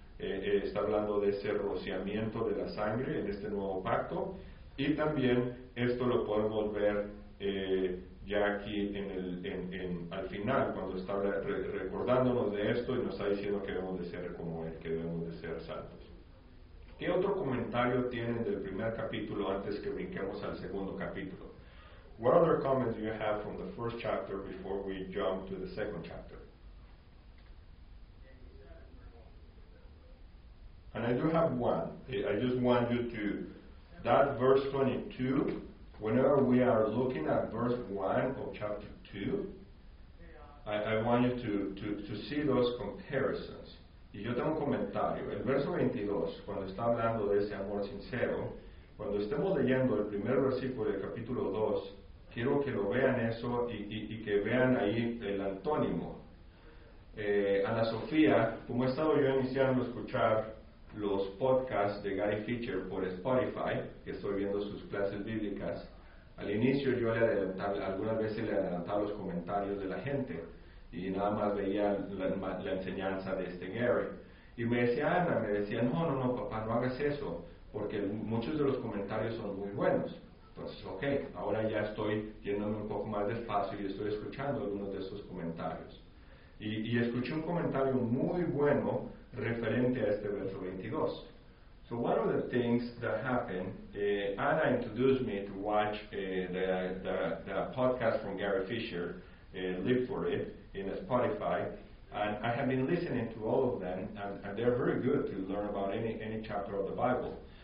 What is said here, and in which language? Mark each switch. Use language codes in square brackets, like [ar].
[es] Está hablando de ese rociamiento de la sangre en este nuevo pacto, y también esto lo podemos ver ya aquí al final, cuando está recordándonos de esto y nos está diciendo que debemos de ser como Él, que debemos de ser santos. ¿Qué otro comentario tienen del primer capítulo antes que brinquemos al segundo capítulo? [en] What other comments do you have from the first chapter before we jump to the second chapter? And I do have one. I just want you to, that verse 22, whenever we are looking at verse 1 of chapter 2, I want you to see those comparisons. [es] Y yo tengo un comentario. El verso 22, cuando está hablando de ese amor sincero, cuando estemos leyendo el primer versículo del capítulo 2, quiero que lo vean eso y que vean ahí el antónimo. Ana Sofía, como he estado yo iniciando a escuchar los podcasts de Gary Fischer por Spotify, que estoy viendo sus clases bíblicas, al inicio yo le adelantaba los comentarios de la gente y nada más veía la enseñanza de este Gary, y me decía no papá, no hagas eso porque muchos de los comentarios son muy buenos. Entonces, ok, ahora ya estoy yéndome un poco más despacio y estoy escuchando algunos de esos comentarios, y escuché un comentario muy bueno referente a este verso 22. [en] So one of the things that happened, Anna introduced me to watch the podcast from Gary Fischer, Live for It, in Spotify, and I have been listening to all of them, and they're very good to learn about any chapter of the Bible.